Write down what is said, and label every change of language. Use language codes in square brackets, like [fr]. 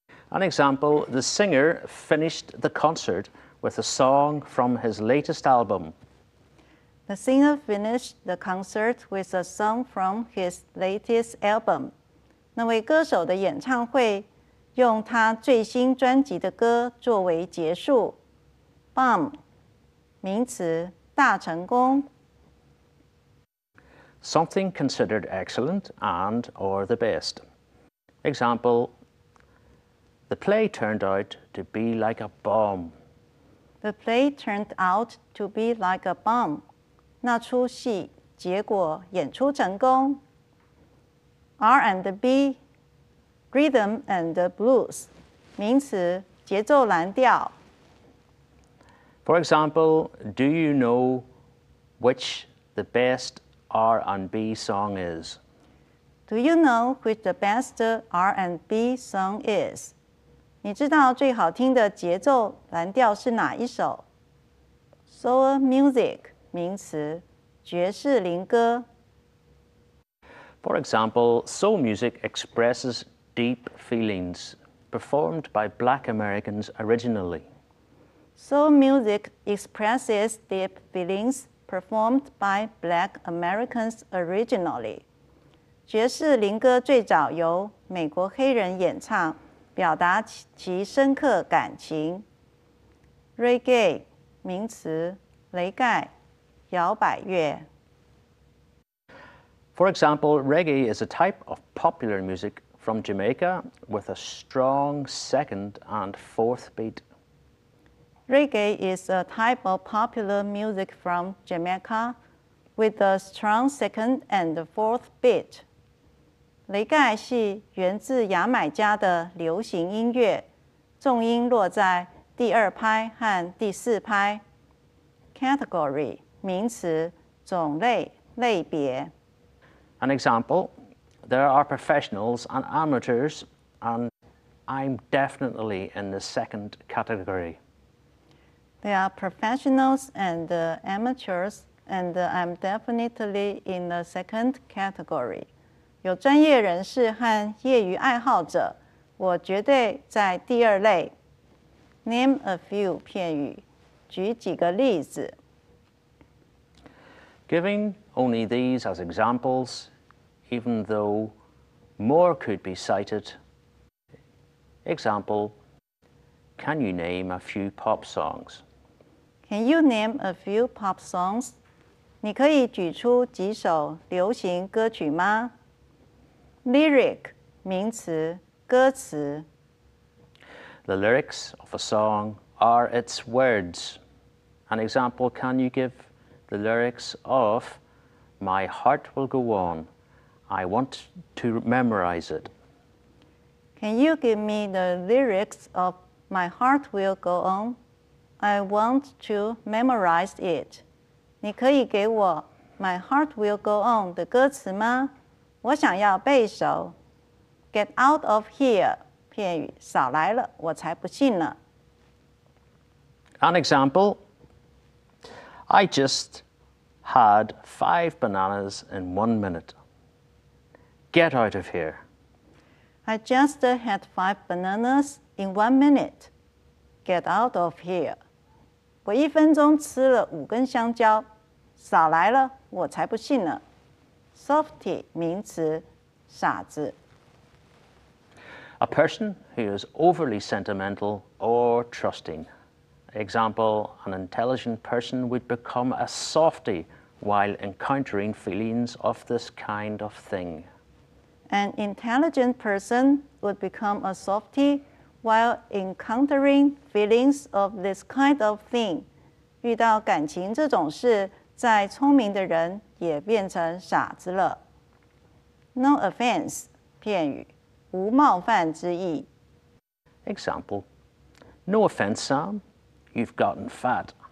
[en] An example, the singer finished the concert with a song from his latest album. The singer finished the concert with a song from his latest album. [zh] 那位歌手的演唱会用他最新专辑的歌作为结束。 Bomb, 名词,大成功。 [en] Something considered excellent and or the best. Example, the play turned out to be like a bomb. The play turned out to be like a bomb. [zh] 那出戏结果演出成功。R&B, [en] rhythm and the blues, [zh] 名词节奏蓝调。 [en] For example, do you know which the best R&B song is. Do you know which the best R&B song is? [zh] 你知道最好听的节奏蓝调是哪一首? Soul music, 名词,爵士灵歌。 [en] For example, soul music expresses deep feelings performed by black Americans originally. Soul music expresses deep feelings performed by black Americans originally. [zh] 爵士灵歌最早由美国黑人演唱，表达其深刻感情。 Reggae, 名词，雷盖，摇摆乐。 [en] For example, reggae is a type of popular music from Jamaica with a strong second and fourth beat. Reggae is a type of popular music from Jamaica with a strong second and fourth beat. [zh] 雷盖是源自牙买加的流行音乐, 重音落在第二拍和第四拍。 Category, 名词，种类，类别。 [en] An example, there are professionals and amateurs, and I'm definitely in the second category. There are professionals and amateurs, and I'm definitely in the second category. [zh] 有专业人士和业余爱好者，我绝对在第二类。 [en] Name a few [zh] 片语，举几个例子。 [en] Giving only these as examples, even though more could be cited. Example, can you name a few pop songs? Can you name a few pop songs? [zh] 你可以举出几首流行歌曲吗？ Lyric, 名词，歌词。 [en] The lyrics of a song are its words. An example, can you give the lyrics of My Heart Will Go On, I Want to Memorize It? Can you give me the lyrics of My Heart Will Go On, I Want to Memorize It? [zh] 你可以给我 My Heart Will Go On 的歌词吗？我想要背熟。 [en] Get out of here, [zh] 片语，少来了，我才不信呢。 [en] An example, I just had 5 bananas in 1 minute. Get out of here. I just had 5 bananas in 1 minute. Get out of here. [zh] 我一分钟吃了5根香蕉，少来了，我才不信呢。 Softy, 名词，傻子。 [en] A person who is overly sentimental or trusting. Example, an intelligent person would become a softy while encountering feelings of this kind of thing. An intelligent person would become a softy while encountering feelings of this kind of thing. [zh] 遇到感情这种事，再聪明的人也变成傻子了。 [en] No offense, [zh] 片语，无冒犯之意。 [en] Example, no offense, Sam, you've gotten fat.